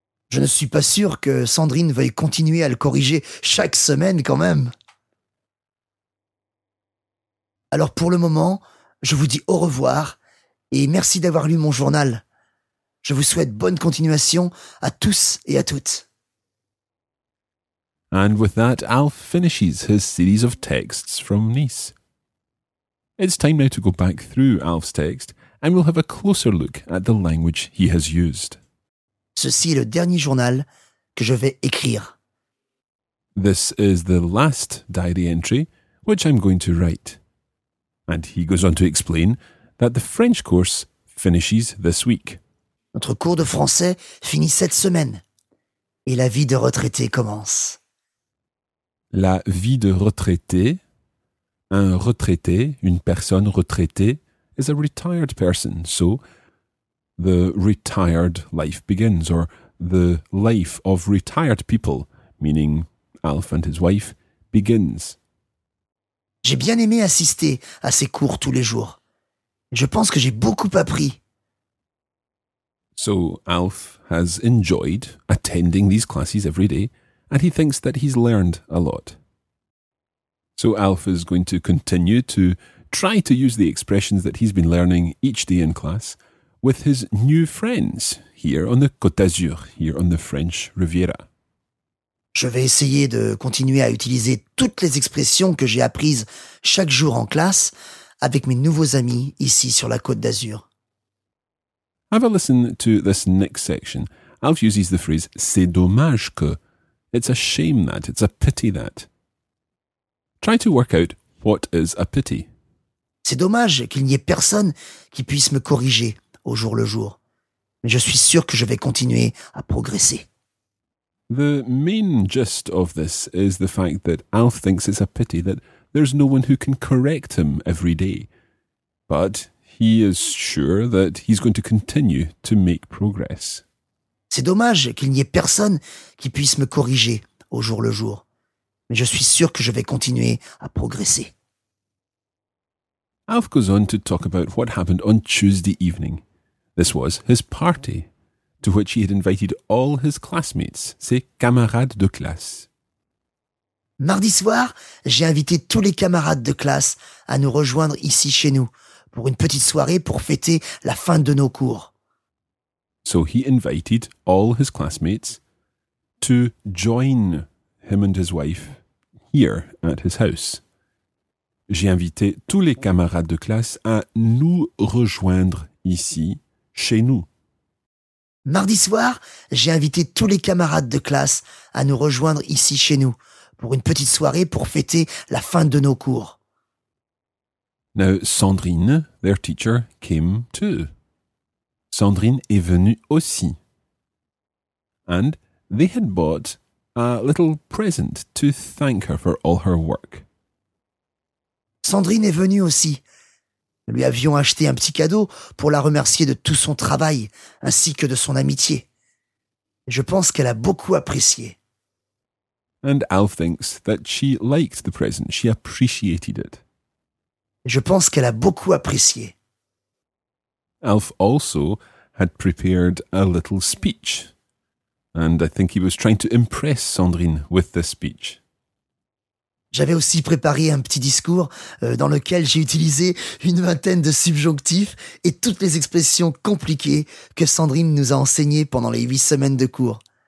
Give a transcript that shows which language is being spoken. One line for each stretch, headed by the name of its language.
French: Je ne suis pas sûr que Sandrine veuille continuer à le corriger chaque semaine quand même. Alors pour le moment, je vous dis au revoir et merci d'avoir lu mon journal. Je vous souhaite bonne continuation à tous et à toutes.
English: And with that, Alf finishes his series of texts from Nice. It's time now to go back through Alf's text, and we'll have a closer look at the language he has used.
French: Ceci est le dernier journal que je vais écrire.
English: This is the last diary entry, which I'm going to write. And he goes on to explain that the French course finishes this week.
French: Notre cours de français finit cette semaine, et la vie de retraité commence. La vie de retraité. Un retraité, une personne retraitée,
English: is a retired person. So, the retired life begins, or the life of retired people, meaning Alf and his wife, begins.
French: J'ai bien aimé assister à ces cours tous les jours. Je pense que j'ai beaucoup appris.
English: So Alf has enjoyed attending these classes every day, and he thinks that he's learned a lot. So Alf is going to continue to try to use the expressions that he's been learning each day in class with his new friends here on the Côte d'Azur, here on the French Riviera.
French: Je vais essayer de continuer à utiliser toutes les expressions que j'ai apprises chaque jour en classe avec mes nouveaux amis ici sur la Côte d'Azur.
English: Have a listen to this next section. Alf uses the phrase
French: c'est dommage que.
English: It's a shame that, it's a pity that. Try to work out what is a pity.
French: C'est dommage qu'il n'y ait personne qui puisse me corriger au jour le jour. Mais je suis sûr que je vais continuer à progresser.
English: The main gist of this is the fact that Alf thinks it's a pity that there's no one who can correct him every day. But he is sure that he's going to continue to make progress.
French: C'est dommage qu'il n'y ait personne qui puisse me corriger au jour le jour. Mais je suis sûr que je vais continuer à progresser.
English: Alf goes on to talk about what happened on Tuesday evening. This was his party, to which he had invited all his classmates,
French: ses camarades de classe. Mardi soir, j'ai invité tous les camarades de classe à nous rejoindre ici chez nous pour une petite soirée pour fêter la fin de nos cours.
English: So he invited all his classmates to join him and his wife here at his house.
French: J'ai invité tous les camarades de classe à nous rejoindre ici, chez nous. Mardi soir, j'ai invité tous les camarades de classe à nous rejoindre ici, chez nous, pour une petite soirée pour fêter la fin de nos cours.
English: Now, Sandrine, their teacher, came too.
French: Sandrine est venue aussi.
English: And they had bought a little present to thank her for all her work.
French: Sandrine est venue aussi. Nous lui avions acheté un petit cadeau pour la remercier de tout son travail ainsi que de son amitié. Je pense qu'elle a beaucoup apprécié.
English: And Alf thinks that she liked the present. She appreciated it.
French: Je pense qu'elle a beaucoup apprécié.
English: Alf also had prepared a little speech. And I think he was trying to impress Sandrine with the speech.
French: J'avais aussi préparé un petit discours dans lequel j'ai utilisé une vingtaine de subjonctifs et toutes les expressions compliquées que Sandrine nous a enseignées pendant les 8 semaines de cours.